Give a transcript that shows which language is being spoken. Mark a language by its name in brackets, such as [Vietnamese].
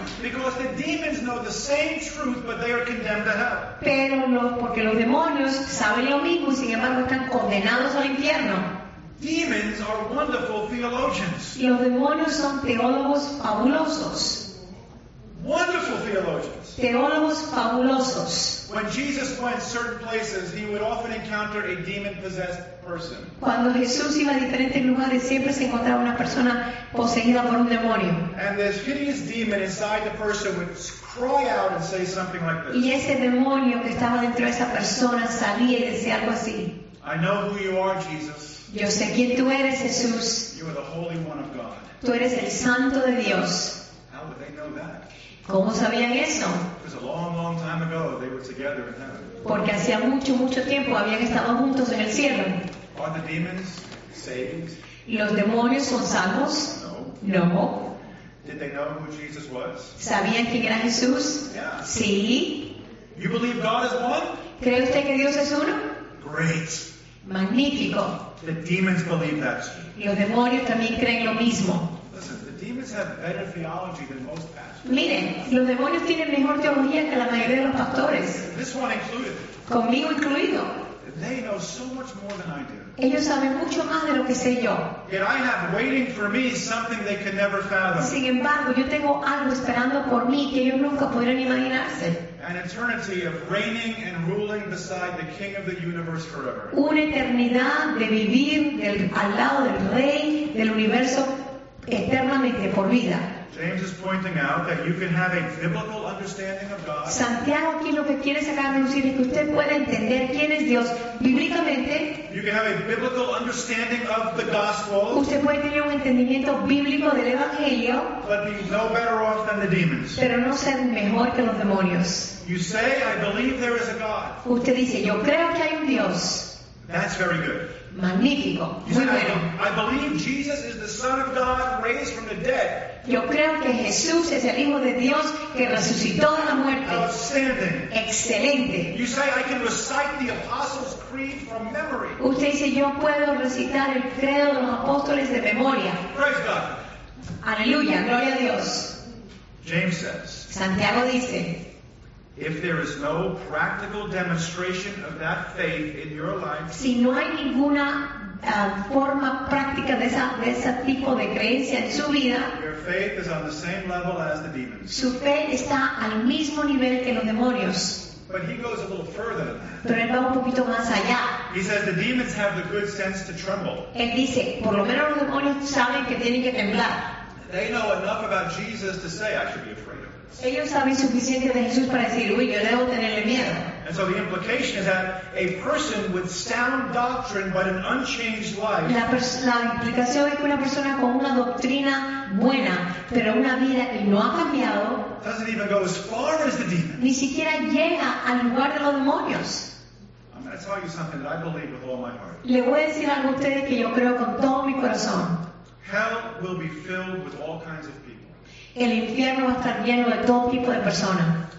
[English] Because the demons know the same truth, but they are condemned to hell. [Spanish] Pero no, porque los demonios saben lo mismo, sin embargo están condenados al infierno. [English] Demons are wonderful theologians. [Spanish] Y los demonios son teólogos fabulosos. [English] Wonderful theologians. [Spanish] Teólogos fabulosos. [English] When Jesus went certain places, he would often encounter a demon-possessed person. [Spanish] Cuando Jesús iba a diferentes lugares, siempre se encontraba una persona poseída por un demonio. [English] And this hideous demon inside the person would cry out and say something like this. [Spanish] Y ese demonio que estaba dentro de esa persona salía y decía algo así. [English] I know who you are, Jesus. [Spanish] Yo sé quién tú eres, Jesús. [English] You are the Holy One of God. [Spanish] Tú eres el Santo de Dios. [English] How would they know that? [Spanish] ¿Cómo sabían eso? [English] Because a long, long time ago, they were together in heaven. [Spanish] Porque hacía mucho, mucho tiempo habían estado juntos en el cielo. [English] Are the demons saved? [Spanish] ¿Los demonios son salvos? [English] No. [Spanish] No. [English] Did they know who Jesus was? [Spanish] ¿Sabían quién era Jesús? [English] Yeah. [Spanish] Sí. [English] You believe God is one? [Spanish] ¿Cree usted que Dios es uno? [English] Great. [Spanish] Magnífico. [English] The demons believe that. [Spanish] Los demonios también creen lo mismo. [English] The demons have better theology than most pastors. [Spanish] Miren, los demonios tienen mejor teología que la mayoría de los pastores. [English] This one included. [Spanish] Conmigo incluido. [English] They know so much more than I do. [Spanish] Ellos saben mucho más de lo que sé yo. [English] Yet I have waiting for me something they could never fathom. [Spanish] Sin embargo, yo tengo algo esperando por mí que ellos nunca podrían imaginarse. [English] An eternity of reigning and ruling beside the King of the universe forever. [Spanish] Una eternidad de vivir al lado del Rey del universo eternamente por vida. [English] James is pointing out that you can have a biblical understanding of God. [Spanish] Santiago aquí lo que quiere sacar a reducir es que usted puede entender quién es Dios bíblicamente. [English] You can have a biblical understanding of the gospel. [Spanish] Usted puede tener un entendimiento bíblico del evangelio. [English] But be no better off than the demons. [Spanish] Pero no ser mejor que los demonios. [English] You say, I believe there is a God. [Spanish] Usted dice, yo creo que hay un Dios. [English] That's very good. [Spanish] Magnífico. [English] You say, [Spanish] muy bueno. [English] I believe Jesus is the Son of God raised from the dead. [Spanish] Yo creo que Jesús es el Hijo de Dios que resucitó de la muerte. [English] Outstanding. [Spanish] Excelente. [English] You say, I can recite the Apostles' Creed from memory. [Spanish] Usted dice, yo puedo recitar el credo de los apóstoles de memoria. [English] Praise God. [Spanish] Aleluya, gloria a Dios. [English] James says, [Spanish] Santiago dice, [English] if there is no practical demonstration of that faith in your life, [Spanish] si no hay ninguna forma práctica de ese tipo de creencia en su vida, [English] your faith is on the same level as the demons. [Spanish] Su fe está al mismo nivel que los demonios. [English] But he goes a little further than that. [Spanish] Pero él va un poquito más allá. [English] He says the demons have the good sense to tremble. [Spanish] Él dice, por lo menos los demonios saben que tienen que temblar. [English] They know enough about Jesus to say, I should be afraid. [Spanish] Ellos saben suficiente de Jesús para decir, uy, yo debo tenerle miedo. [English] And so the implication is that a person with sound doctrine but an unchanged life. [Spanish] La implicación es que una persona con una doctrina buena, pero una vida que no ha cambiado. [English] Doesn't even go as far as the demons. [Spanish] Ni siquiera llega al lugar de los demonios. [English] I'm going to tell you something that I believe with all my heart. [Spanish] Le voy a decir algo a ustedes que yo creo con todo mi corazón. [English] Hell will be filled with all kinds of people. [Spanish] El infierno va a estar lleno de todo tipo de personas,